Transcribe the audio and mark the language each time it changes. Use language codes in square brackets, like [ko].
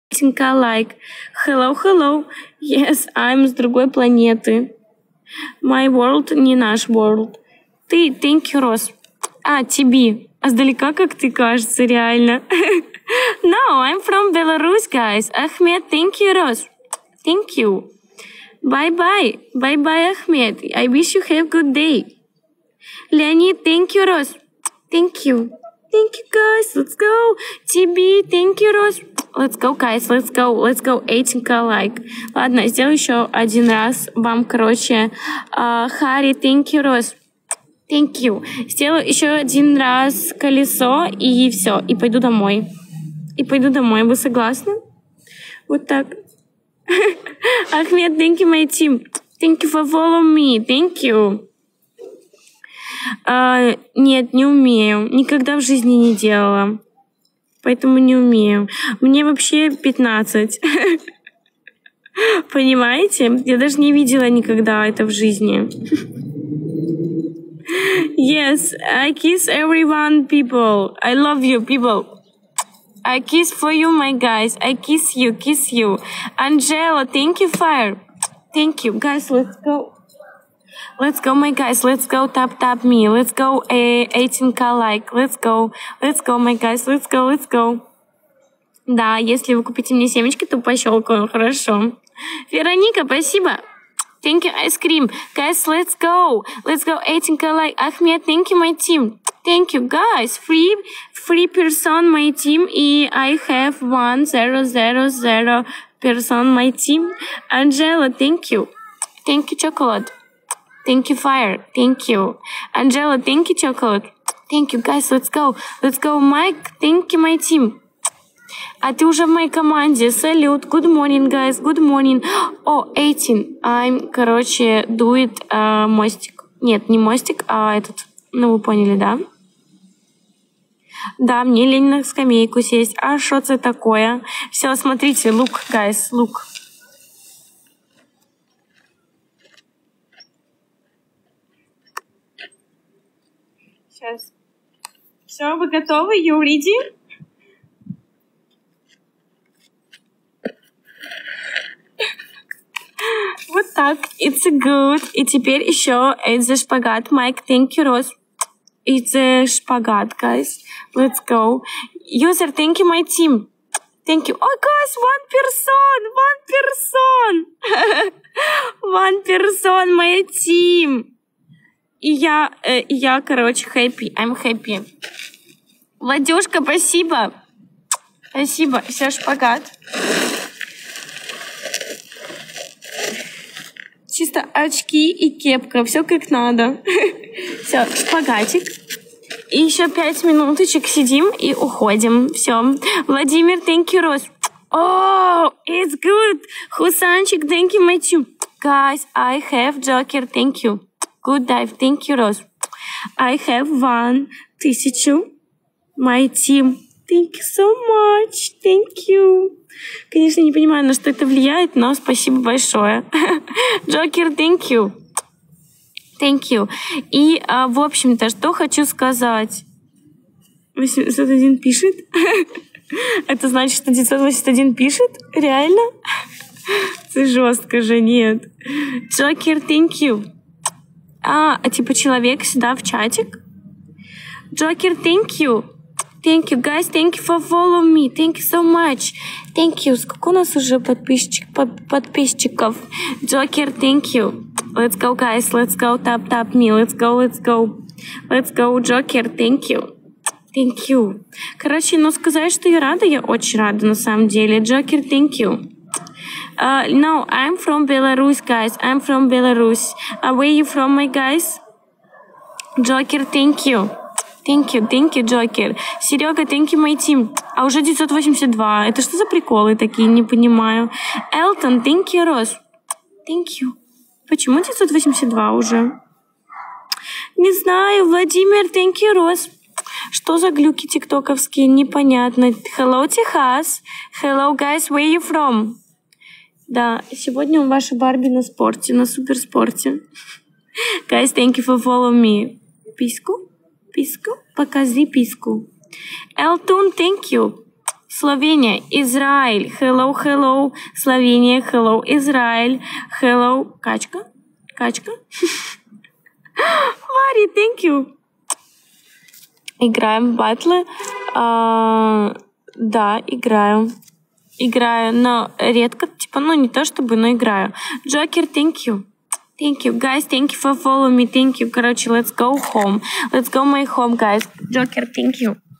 [en] песенка like «Hello, hello, yes, I'm [ru] с другой планеты. [en] My world [ru] не наш [en] world. Ты, thank you, Rose. [ru] А, тебе. А сдалека, как ты кажется, реально. [en] No, I'm from Belarus, guys. Ахмед, thank you, Rose. Thank you. Bye-bye. Bye-bye, Ахмед. I wish you have a good day. Леонид, thank you, Rose. Thank you. Thank you, guys. Let's go. TB, thank you, Rose. Let's go, guys. Let's go. Let's go. [ru] Этинка, лайк. Ладно, сделаю еще один раз вам, короче. [en] Хари, thank you, Rose. Thank you. [ru] Сделаю еще один раз колесо, и все. И пойду домой. И пойду домой. Вы согласны? Вот так. [en] Ахмед, thank you, my team. Thank you for following me. Thank you. [ru] Нет, не умею. Никогда в жизни не делала. Поэтому не умею. Мне вообще 15. Понимаете? Я даже не видела никогда это в жизни. [en] Yes, I kiss everyone, people. I love you, people. I kiss for you, my guys. I kiss you, kiss you. Angela, thank you, fire. Thank you, guys, let's go. Let's go, my guys, let's go, tap, tap me, let's go, 18k like, let's go, my guys, let's go, let's go. [ru] Да, если вы купите мне семечки, то пощелкаю, хорошо. [en] Вероника, [ru] спасибо. [en] Thank you, ice cream. Guys, let's go, 18k like, Ахмед, thank you, my team. Thank you, guys, three person, my team, и I have 1000 person, my team. Angela, thank you, chocolate. Thank you, fire. Thank you. Angela, thank you, chocolate. Thank you, guys, let's go. Let's go, Mike. Thank you, my team. [ru] А ты уже в моей команде. Салют. [en] Good morning, guys. Good morning. Oh, 18. I'm, короче, do it мостик. [ru] Нет, не мостик, а этот. Ну, вы поняли, да? Да, мне лень на скамейку сесть. А что это такое? Все, смотрите, [en] look, guys, look. [ru] Все, вы готовы? [en] You ready? [ru] Вот так. [en] It's good. [ru] И теперь еще [en] it's a [ru] шпагат. [en] Mike, thank you, Rose. It's a шпагат, guys. Let's go. User, thank you, my team. Thank you. Oh, guys, one person! One person! One person, my team! [ru] И я, короче, happy. [en] I'm happy. [ru] Владюшка, спасибо. Спасибо. Все, шпагат. Чисто очки и кепка. Все как надо. Все, шпагатик. И еще 5 минуточек сидим и уходим. Все. [en] Владимир, thank you, Rose. Oh, it's good. Хусанчик, thank you, Matthew. Guys, I have Joker, thank you. Good dive, thank you, Rose. I have 1000. My team. Thank you so much. Thank you. [ru] Конечно, не понимаю, на что это влияет, но спасибо большое. [en] Джокер, thank you. Thank you. [ru] И, в общем-то, что хочу сказать. 801 пишет. Это значит, что 981 пишет? Реально? Ты жестко же, нет. [en] Джокер, thank you. [ru] А, типа человек сюда в чатик. [en] Джокер, thank you. Thank you, guys, thank you for following me. Thank you so much. Thank you. [ru] Сколько у нас уже подписчиков? [en] Джокер, thank you. Let's go, guys, let's go, tap, tap me. Let's go, let's go. Let's go, Джокер, thank you. Thank you. [ru] Короче, ну сказать, что я рада, я очень рада на самом деле. [en] Джокер, thank you. No, I'm from Belarus, guys. I'm from Belarus. Where you from, my guys? Joker, thank you. Thank you, Joker. Серега, thank you, my team. [ru] А уже 982. Это что за приколы такие? Не понимаю. [en] Elton, thank you, Rose. Thank you. [ru] Почему 982 уже? Не знаю. [en] Владимир, thank you, Rose. [ru] Что за глюки тиктоковские? Непонятно. [en] Hello, Texas. Hello, guys, where you from? [ru] Да, сегодня у вашей Барби на спорте, на суперспорте. [en] Guys, thank you for following me. [ru] Писку? Писку? Покажи писку. Elton, thank you. Словения, Израиль. [en] Hello, hello, Словения. Hello, Израиль. Hello, Качка. [ru] Качка. [en] Варя, thank you. [ru] Играем в батлы. Да, играю. Играю, но редко, типа, ну не то чтобы, но играю. [en] Джокер, thank you. Thank you, guys, thank you for following me, thank you. Короче, let's go home. Let's go my home, guys. Джокер, thank you.